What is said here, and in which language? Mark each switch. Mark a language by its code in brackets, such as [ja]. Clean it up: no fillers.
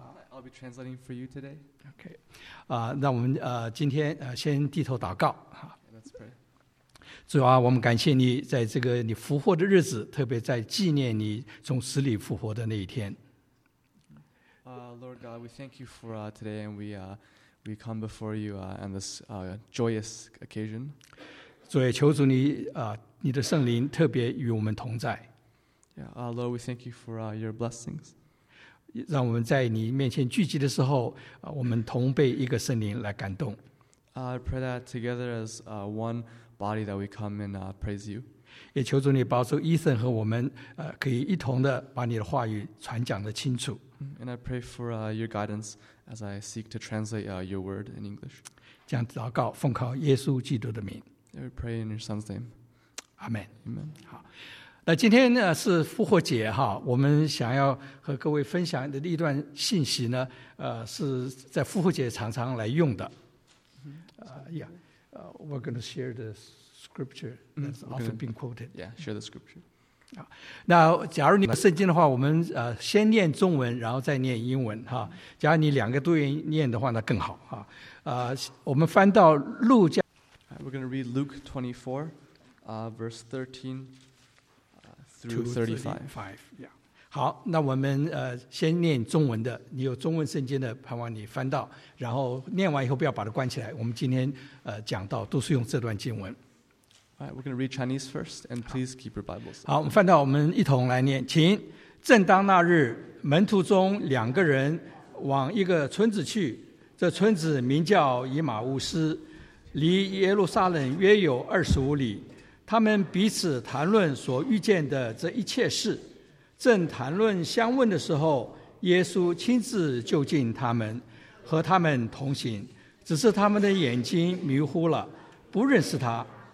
[en] I'll be translating for you today. Okay. [zh] 那我们今天先低头祷告。 [en] Let's pray. [zh] 主啊，我们感谢你在这个你复活的日子，特别在纪念你从死里复活的那一天。 [en] Lord God, we thank you for today, and we come before you on this joyous occasion. [zh] 主也求主你你的圣灵特别与我们同在。 [en] Yeah, Lord, we thank you for your blessings. [zh] 让我们在你面前聚集的时候，我们同被一个圣灵来感动。 [en] I pray that together as one body that we come and praise you. [zh] 也求主你保守 Ethan 和我们可以一同的把你的话语传讲的清楚。 [en] And I pray for your guidance as I seek to translate your word in English. [zh] 这样祷告，奉靠耶稣基督的名。 [en] I pray in your son's name. Amen. Amen. [zh] 好，那今天呢是复活节哈，我们想要和各位分享的一段信息呢，是在复活节常常来用的。 [en] We're going to share the scripture that's often been quoted. Yeah, share the scripture. [zh] 那假如你有圣经的话，我们先念中文，然后再念英文哈。假如你两个都愿意念的话，那更好哈。我们翻到路加。 [en] We're going to read Luke 24, verse 13 through 35. [zh] 好，那我们先念中文的。你有中文圣经的，盼望你翻到，然后念完以后不要把它关起来。我们今天讲到都是用这段经文。 [en] Right, we're going to read Chinese first, and please keep your Bibles. [zh] 好，我们翻到我们一同来念，请。正当那日，门徒中两个人往一个村子去，这村子名叫以马忤斯，离耶路撒冷约有25里。他们彼此谈论所遇见的这一切事，正谈论相问的时候，耶稣亲自就近他们，和他们同行，只是他们的眼睛迷糊了，不认识他。